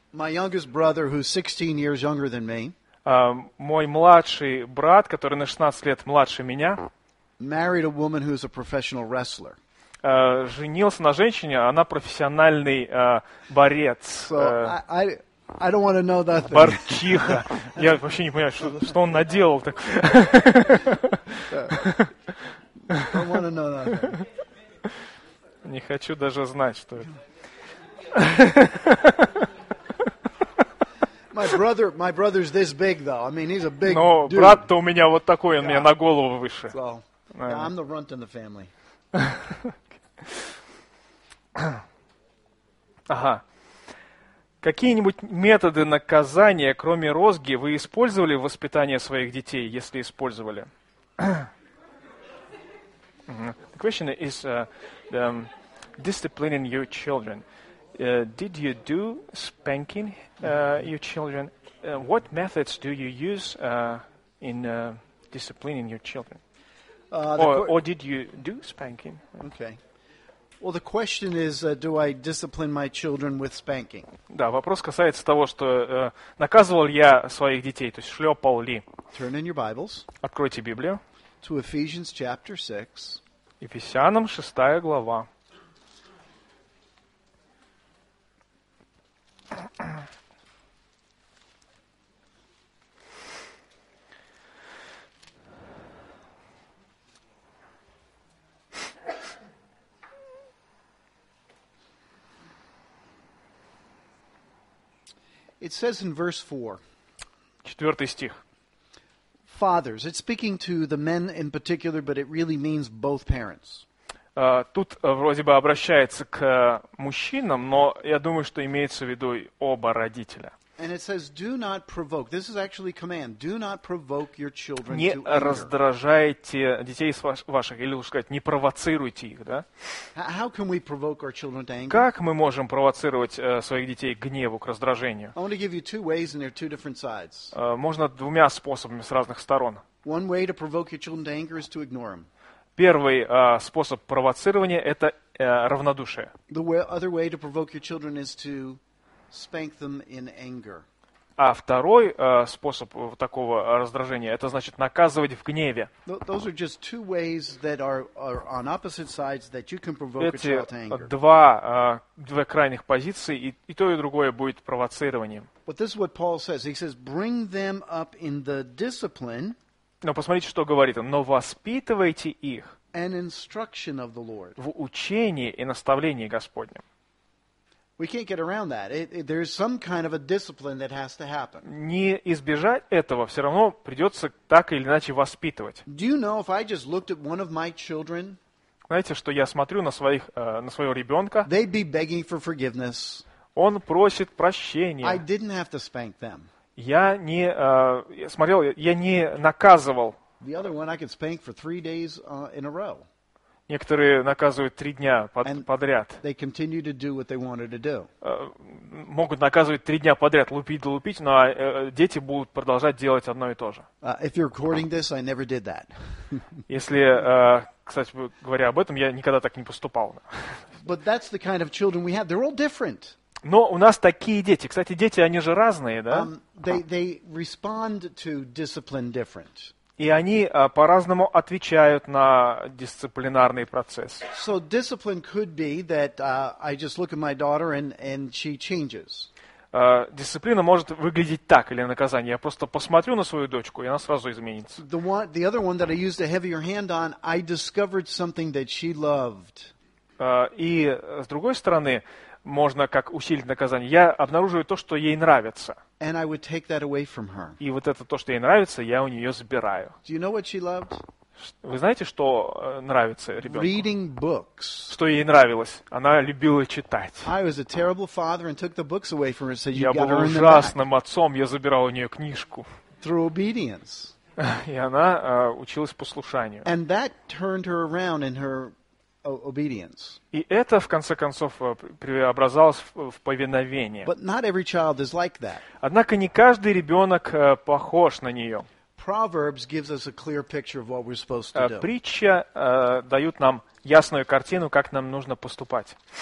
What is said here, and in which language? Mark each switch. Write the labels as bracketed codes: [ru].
[en] My youngest brother, who's 16 years younger than me, [ru] мой младший брат, который на 16 лет младше меня, [en] married a woman who's a professional wrestler. [ru] Женился на женщине, она профессиональный борец. [en] So I don't want to know that. [ru] Борчиха. Я вообще не понимаю, что он наделал так. [en] I don't want to know that. [ru] Не хочу даже знать, что это. [en] My brother's this big, though. I mean, he's a big [ru] Но брат-то у меня вот такой, он мне на голову выше. [en] So, yeah, I'm the runt in the family. [ru] Ага. Какие-нибудь методы наказания, кроме розги, вы использовали в воспитании своих детей, если использовали? [en] The question is, disciplining your children. Did you do spanking your children? What methods do you use in disciplining your children? Or did you do spanking? Okay. Well, the question is, do I discipline my children with spanking? [ru] Да, вопрос касается того, что наказывал я своих детей, то есть шлепал ли. [en] Turn in your Bibles. [ru] Откройте Библию. [en] To Ephesians chapter 6. [ru] Ефесянам 6 глава. [en] It says in verse 4. [ru] Четвертый стих. [en] Fathers, it's speaking to the men in particular, but it really means both parents. [ru] Тут вроде бы обращается к мужчинам, но я думаю, что имеется в виду оба родителя. [en] And it says, do not provoke. This is actually a command. Do not provoke your children [ru] не [en] to anger. [ru] Не раздражайте детей ваших, или лучше сказать, не провоцируйте их, да? [en] How can we provoke our children to anger? [ru] Как мы можем провоцировать своих детей к гневу, к раздражению? [en] I want to give you two ways, and they're two different sides. [ru] Можно двумя способами с разных сторон. [en] One way to provoke your children to anger is to ignore them. [ru] Первый способ провоцирования – это равнодушие. [en] The other way to provoke your children is to spank them in anger. [ru] А второй способ такого раздражения – это значит наказывать в гневе. [en] Those are just two ways that are on opposite sides that you can provoke your child to anger. [ru] Эти два крайних позиции, и то, и другое будет провоцированием. [en] But this is what Paul says. He says, bring them up in the discipline. [ru] Но посмотрите, что говорит он. Но воспитывайте их в учении и наставлении Господнем. [en] We can't get around that. There's some kind of a discipline that has to happen. [ru] Не избежать этого, все равно придется так или иначе воспитывать. [en] Do you know if I just looked at one of my children? [ru] Знаете, что я смотрю на своих, на своего ребенка? [en] They'd be begging for forgiveness. [ru] Он просит прощения. [en] I didn't have to spank them. [ru] Я не смотрел, я не наказывал. [en] The other one I could spank for 3 days in a row. [ru] Некоторые наказывают 3 дня подряд. [en] They continue to do what they wanted to do. [ru] Могут наказывать 3 дня подряд, лупить да лупить, но дети будут продолжать делать одно и то же. [en] If you're recording this, I never did that. [ru] Если, кстати говоря об этом, я никогда так не поступал. [en] But that's the kind of children we have. They're all different. [ru] Но у нас такие дети. Кстати, дети, они же разные, да? [en] They respond to discipline different. [ru] И они по-разному отвечают на дисциплинарный процесс. [en] So discipline could be that I just look at my daughter and she changes. [ru] Дисциплина может выглядеть так, или наказание. Я просто посмотрю на свою дочку, и она сразу изменится. [en] The other one that I used a heavier hand on, I discovered something that she loved. [ru] И с другой стороны, можно как усилить наказание. Я обнаруживаю то, что ей нравится. [en] And I would take that away from her. [ru] И вот это то, что ей нравится, я у нее забираю. [en] Do you know what she loved? [ru] Вы знаете, что нравится ребенку? [en] Reading books. [ru] Что ей нравилось? Она любила читать. [en] I was a terrible father and took the books away from her and said, "You got to earn them back." [ru] Я был ужасным отцом, я забирал у нее книжку. [en] Through obedience. [ru] И она училась послушанию. [en] And that turned her around in her obedience. [ru] И это, в конце концов, преобразовалось в повиновение. [en] But not every child is like that. [ru] Однако не каждый ребенок похож на нее. [en] Proverbs gives us a clear picture of what we're supposed to do. [ru] Притча дают нам ясную картину, как нам нужно поступать.